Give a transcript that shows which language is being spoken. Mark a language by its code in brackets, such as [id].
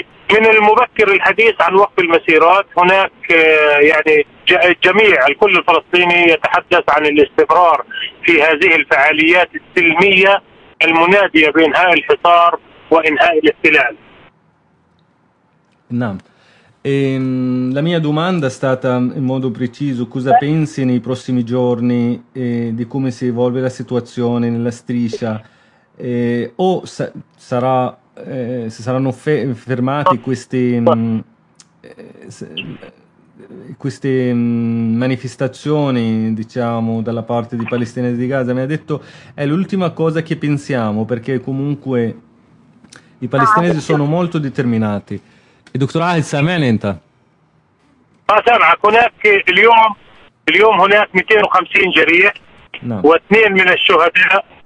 [ar] من المبكر الحديث عن وقف المسيرات، هناك يعني جميع الكل الفلسطيني يتحدث عن الاستمرار في هذه الفعاليات السلمية المنادية بإنهاء الحصار وإنهاء الاحتلال. نعم. [it] La mia domanda è stata in modo preciso: cosa pensi nei prossimi giorni di come si evolve la situazione nella striscia? Se saranno fermati queste manifestazioni, diciamo, dalla parte di Palestina e di Gaza. Mi ha detto è l'ultima cosa che pensiamo, perché comunque i palestinesi sono molto determinati. E dottor Ali Samen enta. [ar] اليوم هناك 250 جريح واثنين من الشهداء